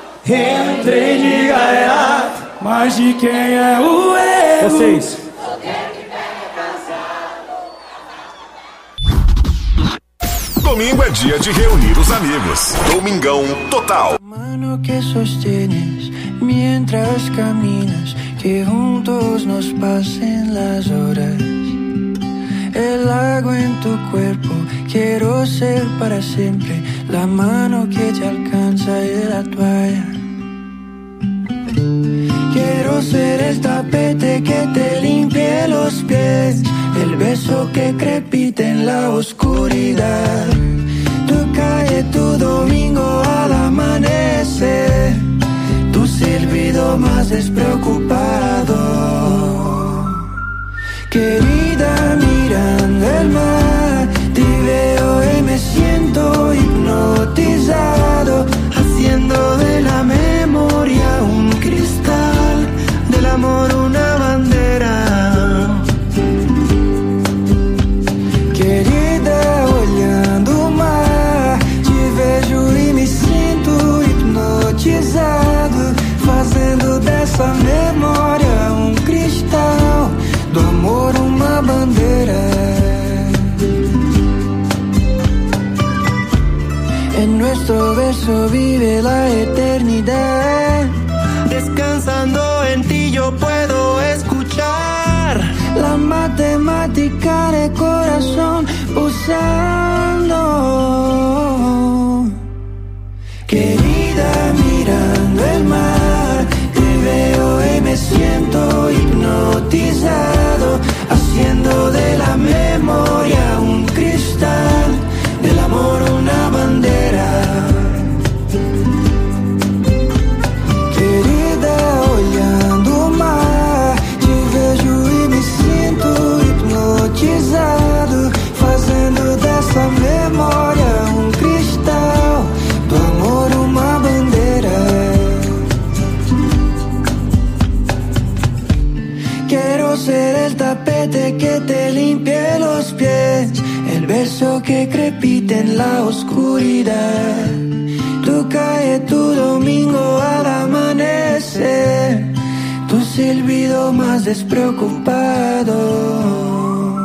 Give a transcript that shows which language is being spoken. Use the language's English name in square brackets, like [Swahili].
[Portuguese] Entrei de gaiato, mas de quem é o erro? Vocês. Domingo é dia de reunir os amigos. Domingão total. [Spanish] Mano que sostenes, mientras caminas, que juntos nos pasen las horas. El agua en tu cuerpo, quiero ser para siempre, la mano que te alcanza y la toalla. Quiero ser el tapete que te limpie los pies, el beso que crepite en la oscuridad. Tu calle, tu domingo al amanecer, tu silbido más despreocupado. Querida, mirando el mar, te veo y me siento hipnotizado, haciendo de la memoria un cristal, del amor una bandera. [Portuguese] Querida, olhando o mar, te vejo e me sinto hipnotizado, fazendo dessa memória um cristal, do amor uma bandeira. [Spanish] En nuestro beso vive la eternidad. Descansando en ti yo puedo escuchar la matemática de corazón pulsando. Querida, mirando el mar, te veo y me siento hipnotizado, haciendo de la memoria un cristal, del amor una bandera. [Portuguese] Querida, olhando o mar, te vejo e me sinto hipnotizado, fazendo dessa memória um cristal, do amor uma bandeira. [Spanish] Quero ser el tapete que te limpie los pies, el beso que crepite en la oscuridad. Tu calle, tu domingo al amanecer, tu silbido más despreocupado.